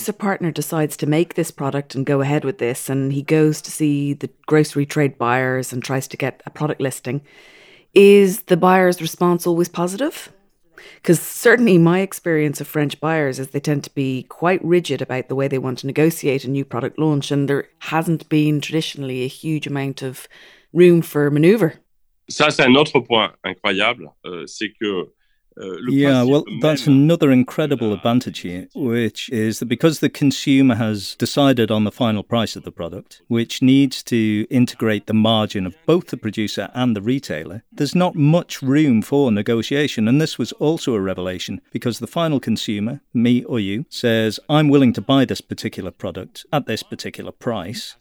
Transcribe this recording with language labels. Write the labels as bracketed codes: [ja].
[en] producer partner decides to make this product and go ahead with this, and he goes to see the grocery trade buyers and tries to get a product listing, is the buyer's response always positive? Because certainly my experience of French buyers is they tend to be quite rigid about the way they want to negotiate a new product launch, and there hasn't been traditionally a huge amount of room for maneuver. [fr] Ça, c'est un autre point incroyable, c'est que [en] yeah, well, that's another incredible advantage here, which is that because the consumer has decided on the final price of the product, which needs to integrate the margin of both the producer and the retailer, there's not much room for negotiation. And this was also a revelation because the final consumer, me or you, says, I'm willing to buy this particular product at this particular price.